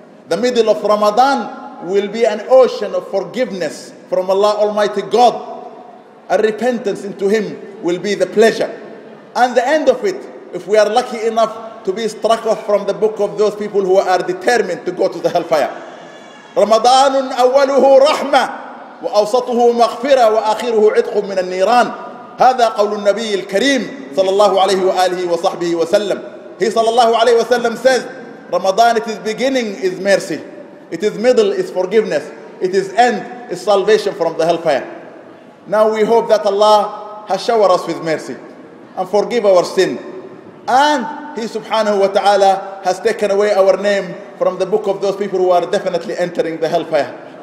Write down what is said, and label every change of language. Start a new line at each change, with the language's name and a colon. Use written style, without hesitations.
English: The middle of Ramadan will be an ocean of forgiveness from Allah Almighty God. A repentance into Him will be the pleasure. And the end of it, if we are lucky enough to be struck off from the book of those people who are determined to go to the hellfire.
Arabic: رمضان أوله رحمة وأوسطه مغفرة وآخره عتق من النيران. هذا قول النبي الكريم صلى الله عليه وآله وصحبه وسلم.
English: He
Arabic: صلى الله عليه وسلم
English: says, Ramadan, it is beginning is mercy, it is middle is forgiveness, it is end is salvation from the hellfire. Now we hope that Allah has showered us with mercy and forgive our sin, and He subhanahu wa ta'ala has taken away our name from the book of those people who are definitely entering the hellfire.